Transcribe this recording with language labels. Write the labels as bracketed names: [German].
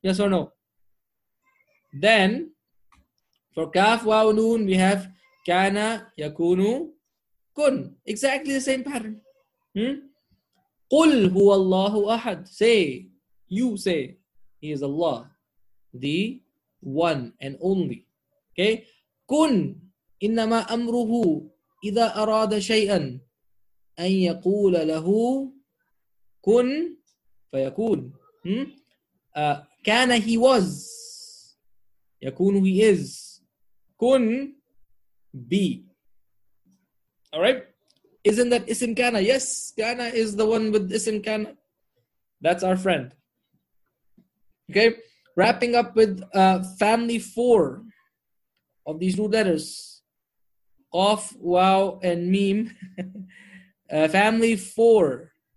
[English] Yes or no? Then, for Kaf, Waw, Noon, we have Kana, Yakunu, Kun. Exactly the same pattern. [Arabic] Qul huwa Allahu Ahad. [English] Say, you say, He is Allah, the one and only. Okay? Kun. [Arabic] إِنَّمَا أَمْرُهُ إِذَا أَرَادَ شَيْئًا أَنْ يَقُولَ لَهُ كُنْ فَيَكُونَ كَانَ [English] he was [Arabic] يَكُونُ [English] he is [Arabic] كُنْ [English] be. Alright? Isn't that ism كَانَ? Yes, كَانَ is the one with ism كَانَ. That's our friend. Okay? Wrapping up with family four of these two letters. Qaf, Waw, and Mim. family four.